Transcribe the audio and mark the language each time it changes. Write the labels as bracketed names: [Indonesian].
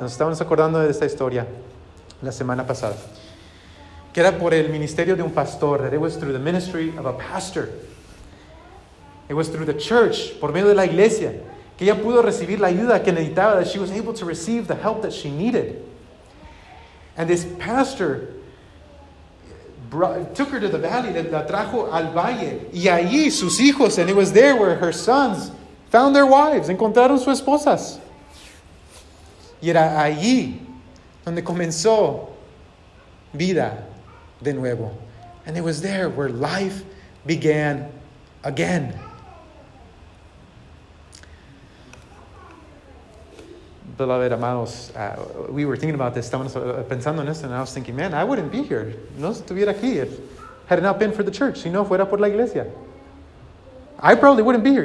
[Spanish] Nos estábamos acordando de esta historia la semana pasada. Que era por el ministerio de un pastor. [English] That it was through the ministry of a pastor. It was through the church, [Spanish] por medio de la iglesia, que ella pudo recibir la ayuda que necesitaba. [English] That she was able to receive the help that she needed. And this pastor took her to the valley. [Spanish] La trajo al valle. Y allí sus hijos, [English] and it was there where her sons found their wives, [Spanish] encontraron sus esposas. Y era allí donde comenzó vida de nuevo. [English] And it was there where life began again. Beloved amados, we were thinking about this, [Spanish] estamos pensando en esto, [English] and I was thinking, man, I wouldn't be here. [Spanish] No estuviera aquí [English] if had it not been for the church, [Spanish] si no fuera por la iglesia. [English] I probably wouldn't be here.